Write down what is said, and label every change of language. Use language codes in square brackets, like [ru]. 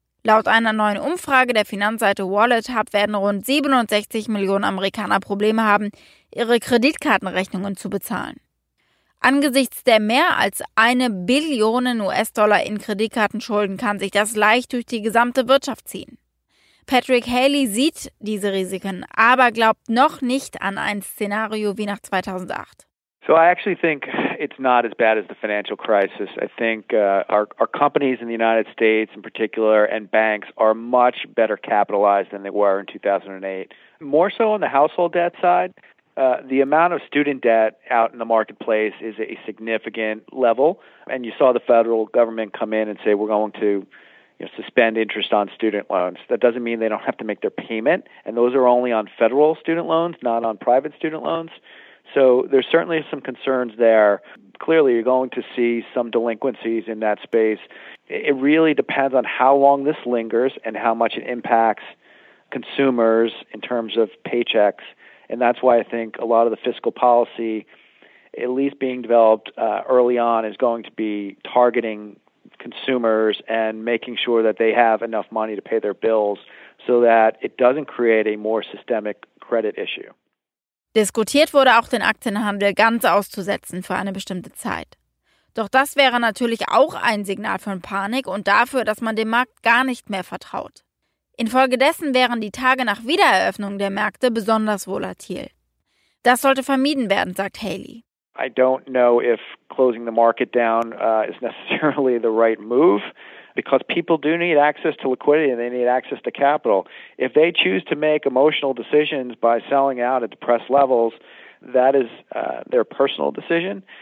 [de] Laut einer neuen Umfrage der Finanzseite WalletHub werden rund 67 Millionen Amerikaner Probleme haben, ihre Kreditkartenrechnungen zu bezahlen. Angesichts der mehr als 1 Billion US-Dollar in Kreditkartenschulden kann sich das leicht durch die gesamte Wirtschaft ziehen. Patrick Haley sieht diese Risiken, aber glaubt noch nicht an ein Szenario wie nach 2008. [en] So I actually think it's not as bad as the financial crisis. I think our companies in the United States in particular and banks are much better capitalized than they were in 2008. More so on the household debt side, the amount of student debt out in the marketplace is a significant level. And you saw the federal government come in and say, we're going to suspend interest on student loans. That doesn't mean they don't have to make their payment. And those are only on federal student loans, not on private student loans. So there's certainly some concerns there. Clearly, you're going to see some delinquencies in that space. It really depends on how long this lingers and how much it impacts consumers in terms of paychecks. And that's why I think a lot of the fiscal policy, at least being developed early on, is going to be targeting consumers and making sure that they have enough money to pay their bills so that it doesn't create a more systemic credit issue. [de] Diskutiert wurde auch, den Aktienhandel ganz auszusetzen für eine bestimmte Zeit. Doch das wäre natürlich auch ein Signal von Panik und dafür, dass man dem Markt gar nicht mehr vertraut. Infolgedessen wären die Tage nach Wiedereröffnung der Märkte besonders volatil. Das sollte vermieden werden, sagt Haley. [en] I don't know if closing the market down is necessarily the right move, because people do need access to liquidity and they need access to capital. If they choose to make emotional decisions by selling out at depressed levels, that is their personal decision.